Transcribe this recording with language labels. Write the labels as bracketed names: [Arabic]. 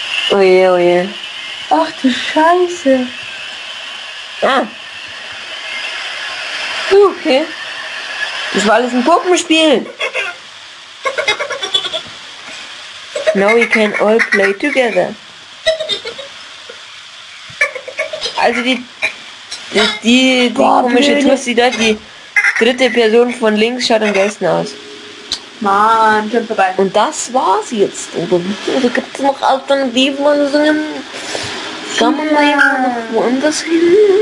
[German] Oh je, oh je. Ach du Scheiße. Ah. Okay. Das war alles ein Puppenspiel. [English] Now we can all play together. [German] Also die komische Trussi da, die dritte Person von links schaut am besten aus. Mann, schon vorbei. Und das war's jetzt. Oder gibt es noch Alternativlösungen? Kann man mal woanders hin?